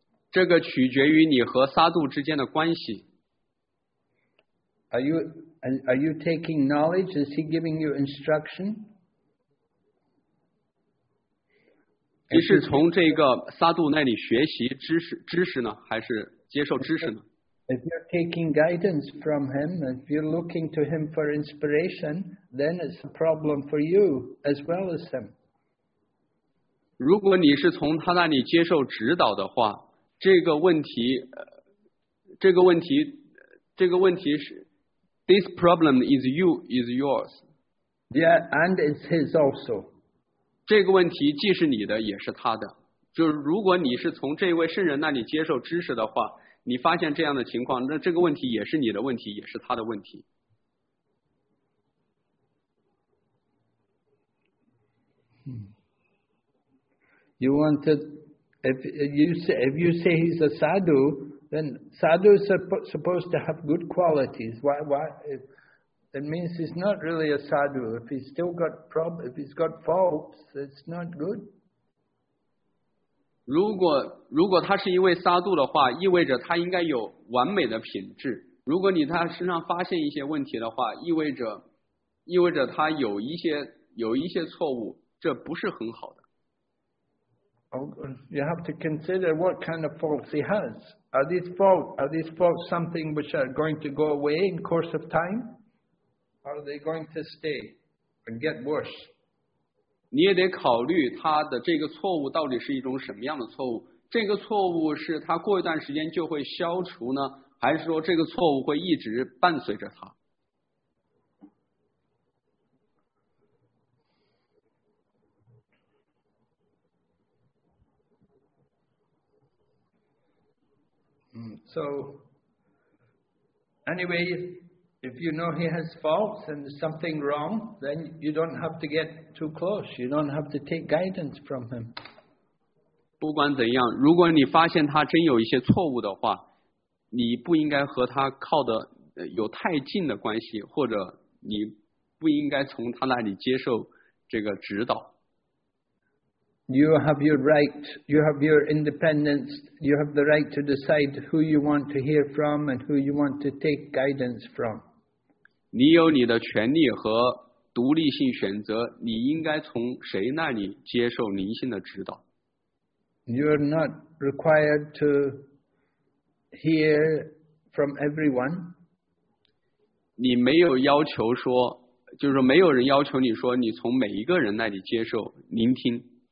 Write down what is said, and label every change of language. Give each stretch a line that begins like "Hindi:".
Chinese: 这个取决于你和沙杜之间的关系。
English: Are you taking knowledge? Is he giving you instruction?
Chinese: 你是从这个沙杜那里学习知识呢，还是接受知识呢？
English: If you're taking guidance from him, if you're looking to him for inspiration, then it's a problem for you as well as him.
Chinese: 如果你是从他那里接受指导的话，这个问题是
English: this problem is yours. Yeah, and it's his also.
Chinese: 这个问题既是你的也是他的，就是如果你是从这位圣人那里接受知识的话，你发现这样的情况，那这个问题也是你的问题，也是他的问题。
English: You want to, if you say he's a sadhu, then sadhu is supposed to have good qualities. Why? It means he's not really a sadhu. If he's still got problem, if he's got faults, it's not good.
Chinese: 如果他是一位沙杜的话，意味着他应该有完美的品质。如果你他身上发现一些问题的话，意味着他有一些错误，这不是很好的。
English: You have to consider what kind of faults he has. Are these faults something which are going to go away in course of time? Are they going to stay and get worse?
Chinese: 你也得考虑他的这个错误到底是一种什么样的错误，这个错误是他过一段时间就会消除呢，还是说这个错误会一直伴随着他？
English: So anyway, if you know he has faults and something wrong, then you don't have to get too close. You don't have to take guidance from him.
Chinese: 不管怎样，如果你发现他真有一些错误的话，你不应该和他靠得有太近的关系，或者你不应该从他那里接受这个指导。
English: You have your right, you have your independence, you have the right to decide who you want to hear from and who you want to take guidance from.
Chinese: 你有你的权利和独立性选择，你应该从谁那里接受灵性的指导。
English: You are not required to hear from everyone.
Chinese: 你没有要求说，就是说没有人要求你说你从每一个人那里接受聆听。